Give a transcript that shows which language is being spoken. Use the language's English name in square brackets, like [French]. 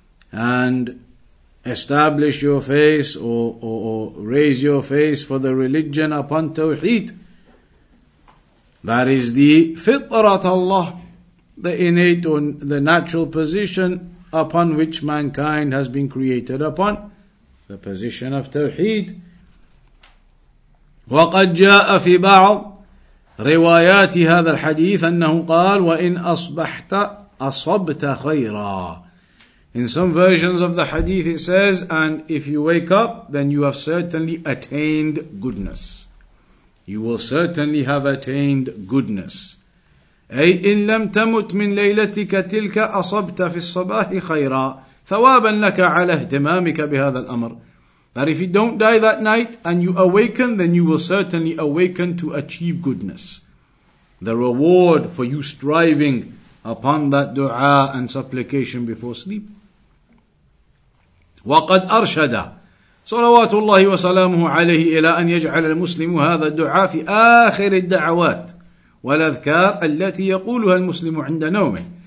[English] And establish your face or raise your face for the religion upon Tawheed. That is the [Arabic] فِطْرَةَ اللَّهِ, [English] the innate or the natural position upon which mankind has been created upon, the position of Tawheed. [Arabic] وقد جاء في بعض روايات هذا الحديث أنه قال وإن أصبحت أصبت خيرا. [English] In some versions of the hadith it says, and if you wake up, then you have certainly attained goodness. You will certainly have attained goodness. [Arabic] أي إن لم تمت من ليلتك تلك أصبت في الصباح خيرا ثوابا لك على اهتمامك بهذا الأمر. [English] That if you don't die that night and you awaken, then you will certainly awaken to achieve goodness. The reward for you striving upon that dua and supplication before sleep. [Arabic] وَقَدْ أَرْشَدَ صَلَوَاتُ اللَّهِ وَسَلَامُهُ عَلَيْهِ إِلَىٰ أَنْ يَجْعَلَ الْمُسْلِمُ هَذَا الدُّعَاءَ فِي آخِرِ الدَّعَوَاتِ وَالْأَذْكَارِ الَّتِي يَقُولُهَا الْمُسْلِمُ عِنْدَ نَوْمِهِ.